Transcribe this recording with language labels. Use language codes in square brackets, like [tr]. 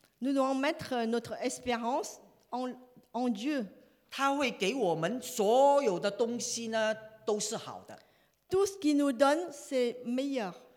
[fr] Nous devons mettre notre espérance en Dieu. [zh] 他会给我们所有的东西呢，都是好的。 [fr] Tout ce qu'il nous donne, c'est meilleur.